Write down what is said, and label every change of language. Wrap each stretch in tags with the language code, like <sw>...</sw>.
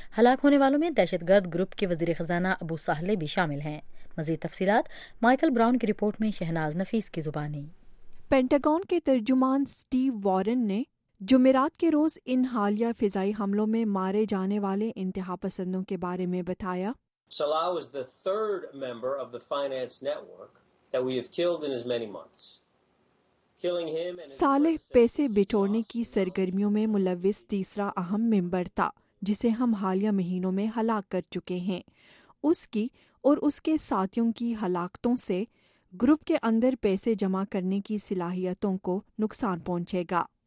<ur>ہلاک ہونے والوں میں دہشت گرد گروپ کے وزیر خزانہ ابو سہلے بھی شامل ہیں. مزید تفصیلات مائیکل براؤن کی رپورٹ میں شہناز نفیس کی زبانی. پینٹاگون کے ترجمان سٹیو وارن نے جمعرات کے روز ان حالیہ فضائی حملوں میں مارے جانے والے انتہا پسندوں کے بارے میں بتایا.</ur> <en>Salah was the third member of the finance network that we have killed in as many months. Killing him and</en> <ur>Saleh پیسے بٹورنے کی سرگرمیوں میں ملوث تیسرا اہم ممبر تھا جسے ہم حالیہ مہینوں میں ہلاک کر چکے ہیں. اس کی اور اس کے ساتھیوں کی ہلاکتوں سے گروپ کے اندر پیسے جمع کرنے کی صلاحیتوں کو نقصان پہنچے گا.</ur>